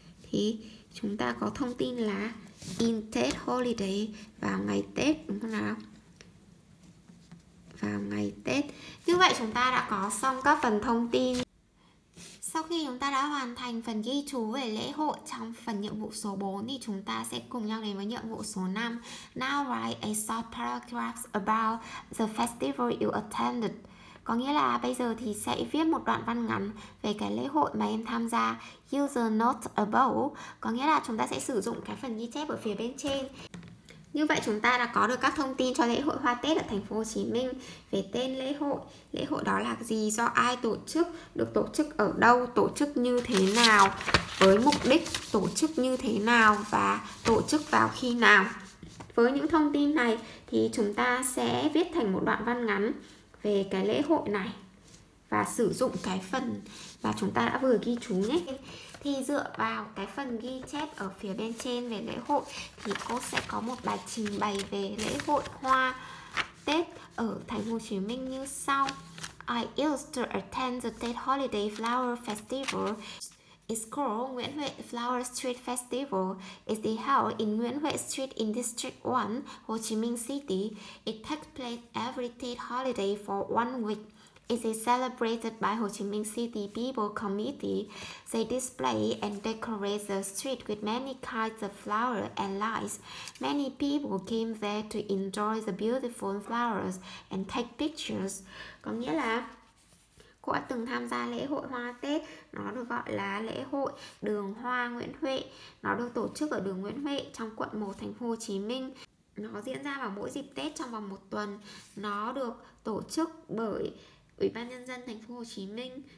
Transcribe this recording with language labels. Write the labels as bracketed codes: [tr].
[vi] Thì chúng ta có thông tin là [en] in Tết holiday, [vi] vào ngày Tết, đúng không nào? Vào ngày Tết. Như vậy chúng ta đã có xong các phần thông tin. Sau khi chúng ta đã hoàn thành phần ghi chú về lễ hội trong phần nhiệm vụ số 4 thì chúng ta sẽ cùng nhau đến với nhiệm vụ số 5. [en] Now write a short paragraph about the festival you attended. [vi] Có nghĩa là bây giờ thì sẽ viết một đoạn văn ngắn về cái lễ hội mà em tham gia. [en] Use the note above. [vi] Có nghĩa là chúng ta sẽ sử dụng cái phần ghi chép ở phía bên trên. Như vậy chúng ta đã có được các thông tin cho lễ hội Hoa Tết ở thành phố Hồ Chí Minh. Về tên lễ hội đó là gì, do ai tổ chức, được tổ chức ở đâu, tổ chức như thế nào, với mục đích tổ chức như thế nào và tổ chức vào khi nào. Với những thông tin này thì chúng ta sẽ viết thành một đoạn văn ngắn về cái lễ hội này và sử dụng cái phần mà chúng ta đã vừa ghi chú nhé. Thì dựa vào cái phần ghi chép ở phía bên trên về lễ hội thì cô sẽ có một bài trình bày về lễ hội hoa Tết ở thành phố Hồ Chí Minh như sau. [en] I used to attend the Tết Holiday Flower Festival. It's called Nguyễn Huệ Flower Street Festival. It's held in Nguyễn Huệ Street in District 1, Ho Chi Minh City. It takes place every Tết holiday for one week. It is celebrated by Ho Chi Minh City People Committee. They display and decorate the street with many kinds of flowers and lights. Many people came there to enjoy the beautiful flowers and take pictures. [vi] Có nghĩa là cô đã từng tham gia lễ hội hoa Tết. Nó được gọi là lễ hội đường hoa Nguyễn Huệ. Nó được tổ chức ở đường Nguyễn Huệ trong quận 1 thành phố Hồ Chí Minh. Nó diễn ra vào mỗi dịp Tết trong vòng một tuần. Nó được tổ chức bởi Ủy ban Nhân dân thành phố Hồ Chí Minh.